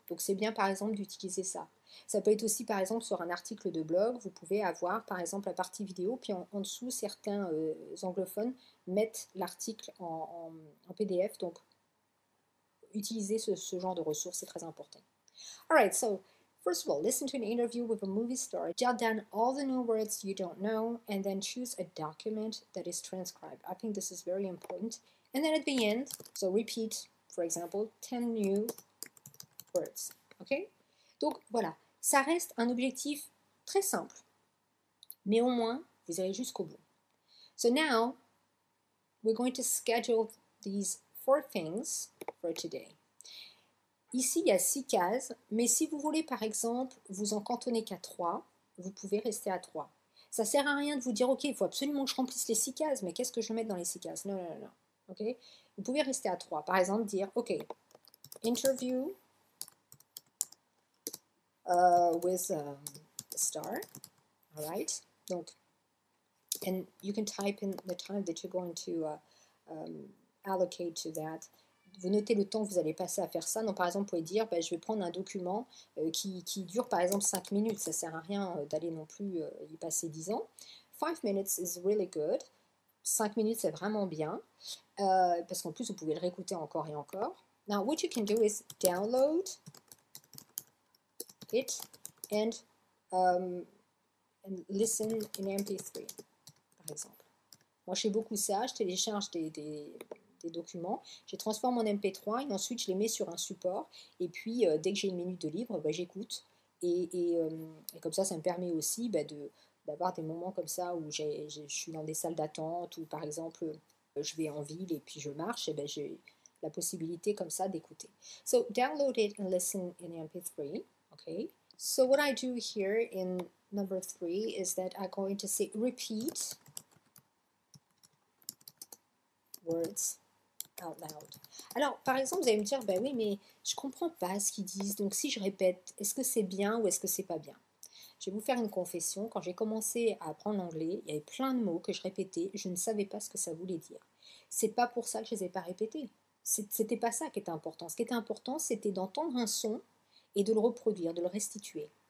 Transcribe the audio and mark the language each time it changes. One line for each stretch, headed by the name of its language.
French: Donc, c'est bien, par exemple, d'utiliser ça. Ça peut être aussi, par exemple, sur un article de blog, vous pouvez avoir, par exemple, la partie vidéo, puis en dessous, certains anglophones mettent l'article en PDF. Donc, utiliser ce genre de ressources, c'est très important.
English: All right, so, first of all, listen to an interview with a movie star. Jot down all the new words you don't know, and then choose a document that is transcribed. I think this is very important. And then at the end, so repeat, for example, 10 new words.
French: OK? Donc, voilà. Ça reste un objectif très simple. Mais au moins, vous irez jusqu'au bout.
English: So now, we're going to schedule these four things for today.
French: Ici, il y a 6 cases. Mais si vous voulez, par exemple, vous en cantonner qu'à 3, vous pouvez rester à 3. Ça ne sert à rien de vous dire, OK, il faut absolument que je remplisse les 6 cases. Mais qu'est-ce que je vais mettre dans les 6 cases? Non. Okay. Vous pouvez rester à 3. Par exemple, dire, OK,
English: interview with a star. All right.
French: Donc,
English: and you can type in the time that you're going to allocate to that.
French: Vous notez le temps que vous allez passer à faire ça. Donc, par exemple, vous pouvez dire, ben, je vais prendre un document qui dure, par exemple, 5 minutes. Ça ne sert à rien d'aller non plus y passer 10 ans.
English: 5 minutes is really good.
French: 5 minutes, c'est vraiment bien. Parce qu'en plus, vous pouvez le réécouter encore et encore.
English: Now, what you can do is download it and listen in MP3,
French: par exemple. Moi, je fais beaucoup ça. Je télécharge des documents. Je les transforme en MP3 et ensuite, je les mets sur un support. Et puis, dès que j'ai une minute de libre, bah, j'écoute. Et comme ça, ça me permet aussi bah, d'avoir des moments comme ça où je suis dans des salles d'attente ou par exemple... je vais en ville et puis je marche, et bien j'ai la possibilité comme ça d'écouter.
English: So, download it and listen in MP3, okay? So, what I do here in number 3 is that I'm going to say repeat words out loud.
French: Alors, par exemple, vous allez me dire, ben oui, mais je comprends pas ce qu'ils disent, donc si je répète, est-ce que c'est bien ou est-ce que c'est pas bien? Je vais vous faire une confession. Quand j'ai commencé à apprendre l'anglais, il y avait plein de mots que je répétais. Je ne savais pas ce que ça voulait dire. Ce n'est pas pour ça que je ne les ai pas répétés. Ce n'était pas ça qui était important. Ce qui était important, c'était d'entendre un son et de le reproduire, de le restituer.